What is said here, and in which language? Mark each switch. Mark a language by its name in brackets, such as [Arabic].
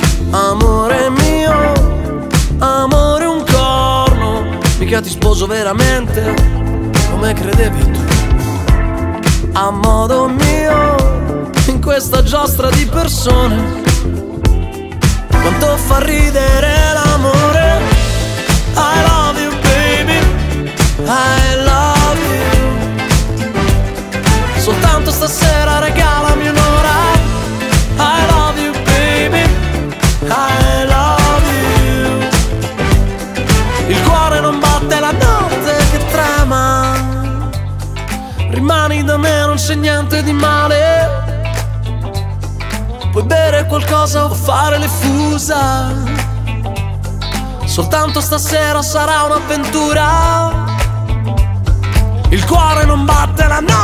[Italian] Amore mio, amore un corno, mica ti sposo veramente come credevi tu. A modo mio, in questa giostra di persone, quanto fa ridere l'amore. [English] I love you baby, I love you. [Italian] Soltanto stasera regalami un'ora. [English] I love you baby, I love you. [Italian] Il cuore non batte la notte che trema. Rimani da me, non c'è niente di male. Puoi bere qualcosa o fare le fusa. Soltanto stasera sarà un'avventura. Il cuore non batte la...